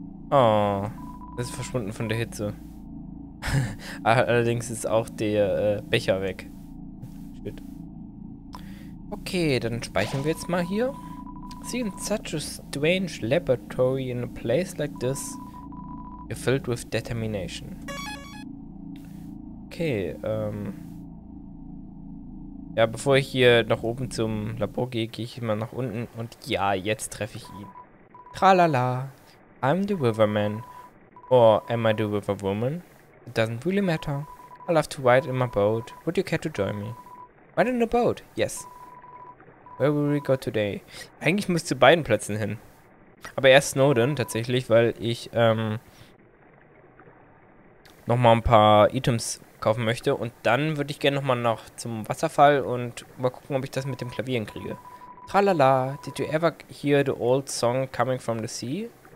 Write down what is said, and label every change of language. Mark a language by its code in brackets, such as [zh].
[de] Oh, das ist verschwunden von der Hitze. Allerdings ist auch der Becher weg. Shit. Okay, dann speichern wir jetzt mal hier. [en] Seeing such a strange laboratory in a place like this, you're filled with determination. [de] Okay, ja, bevor ich hier nach oben zum Labor gehe, gehe ich immer nach unten und ja, jetzt treffe ich ihn. [en] Tralala, I'm the Riverman. Or am I the Riverwoman? It doesn't really matter. I love to ride in my boat. Would you care to join me? Ride in the boat? Yes. Where will we go today? [de] Eigentlich muss ich zu beiden Plätzen hin. Aber erst Snowden tatsächlich, weil ich nochmal ein paar Items kaufen möchte. Und dann würde ich gerne nochmal noch zum Wasserfall und mal gucken, ob ich das mit dem Klavier hinkriege. [en] Tralala, did you ever hear the old song Coming from the Sea?